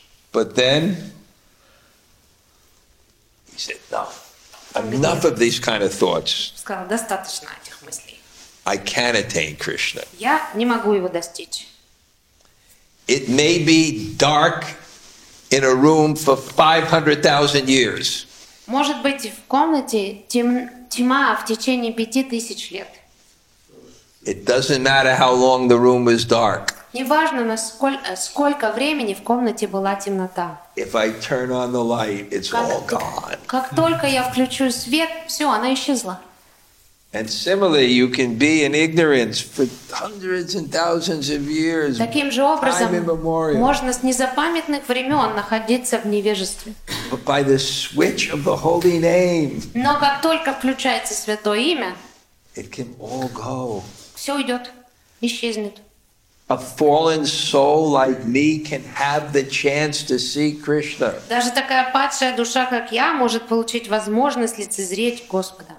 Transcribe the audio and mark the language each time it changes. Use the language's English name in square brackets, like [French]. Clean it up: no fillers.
[English] But then he said no. Enough of these kind of thoughts. [Russian] Сказал достаточно этих мыслей. [English] I can attain Krishna. [Russian] Я не могу его достичь. [English] It may be dark in a room for 500,000 years. [Russian] Может быть, в комнате тьма в течение 5000 лет. [English] It doesn't matter how long the room is dark. [Russian] Неважно, сколько времени в комнате была темнота. [English] If I turn on the light, it's all gone. [Russian] Как только я включу свет, все, она исчезла. [English] And similarly, you can be in ignorance for hundreds and thousands of years. [Russian] Таким же образом, можно с незапамятных времен находиться в невежестве. [English] But by the switch of the holy name. [Russian] Но как только включается святое имя, [English] it can all go. [Russian] Все уйдет, исчезнет. [English] A fallen soul like me can have the chance to see Krishna. [Russian] Даже такая падшая душа, как я, может получить возможность лицезреть Господа.